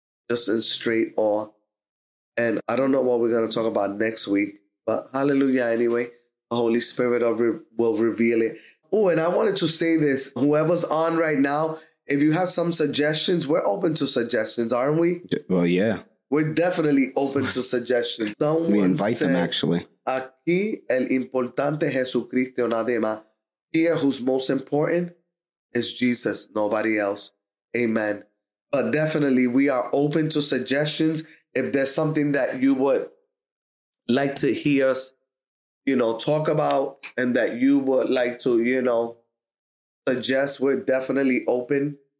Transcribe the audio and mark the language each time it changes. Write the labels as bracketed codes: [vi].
[en] Just in straight awe. And I don't know what we're going to talk about next week, but hallelujah anyway. The Holy Spirit will reveal it. Oh, and I wanted to say this. Whoever's on right now, if you have some suggestions, we're open to suggestions, aren't we? Well, yeah. We're definitely open to suggestions. Someone we invite them, actually. [es] Aquí el importante Jesucristo nada más. [en] here, who's most important is Jesus, nobody else. Amen. But definitely, we are open to suggestions. If there's something that you would like to hear us, you know, talk about and that you would like to, you know, suggest, we're definitely open.